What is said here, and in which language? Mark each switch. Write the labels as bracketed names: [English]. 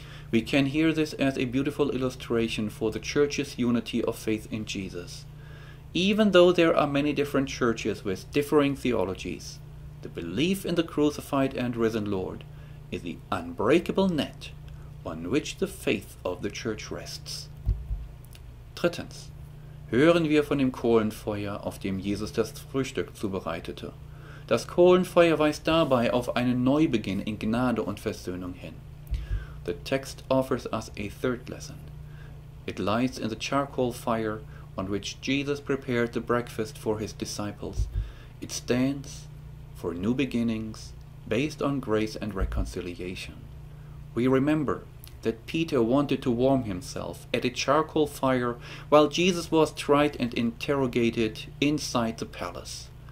[English] We can hear this as a beautiful illustration for the church's unity of faith in Jesus. Even though there are many different churches with differing theologies, the belief in the crucified and risen Lord is the unbreakable net on which the faith of the church rests. [German] Drittens, hören wir von dem Kohlenfeuer, auf dem Jesus das Frühstück zubereitete. Das Kohlenfeuer weist dabei auf einen Neubeginn in Gnade und Versöhnung hin. [English] The text offers us a third lesson. It lies in the charcoal fire on which Jesus prepared the breakfast for his disciples. It stands for new beginnings based on grace and reconciliation. We remember that Peter wanted to warm himself at a charcoal fire while Jesus was tried and interrogated inside the palace.